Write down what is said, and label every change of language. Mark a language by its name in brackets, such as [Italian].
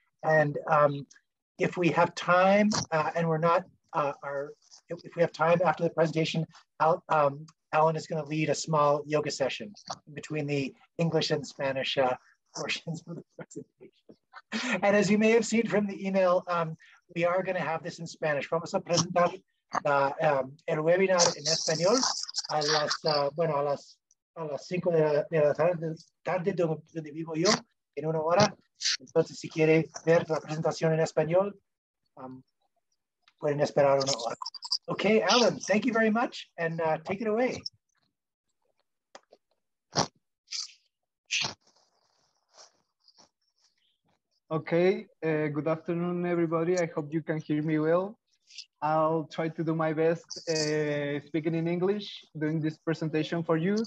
[English] And if we have time, if we have time after the presentation, Alan is going to lead a small yoga session in between the English and Spanish portions of the presentation. And as you may have seen from the email, we are going to have this in Spanish. [Spanish] Vamos a presentar el webinar en español a las 5 de la tarde donde vivo yo, en una hora. Entonces, si quiere ver la presentación en español, pueden esperar una hora. [English] Okay, Alan, thank you very much, and take it away. Okay, good afternoon, everybody. I hope you can hear me well. I'll try to do my best speaking in English, doing this presentation for you.